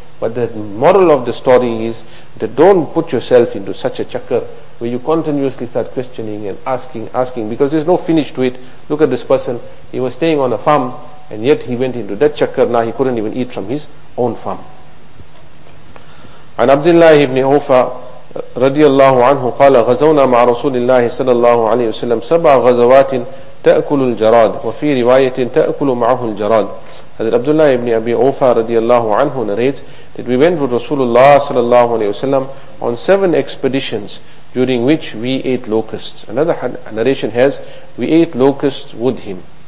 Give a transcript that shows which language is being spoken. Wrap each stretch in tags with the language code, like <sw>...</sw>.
<en>But the moral of the story is that don't put yourself into such a chakkar where you continuously start questioning and asking, because there's no finish to it. Look at this person. He was staying on a farm, and yet he went into that chakkar. Now he couldn't even eat from his own farm.</en> <ar>And Abdullah ibn Awfa رضي الله عنه قال غزونا مع رسول الله صلى الله عليه وسلم سبع غزوات تأكل الجراد وفي رواية تأكل معه الجراد.</ar> <en>حضرت عبد الله بن أبي أوفى رضي الله عنه narrates that we went with Rasulullah صلى الله عليه وسلم on 7 expeditions during which we ate locusts. Another narration has we ate locusts with him.</en>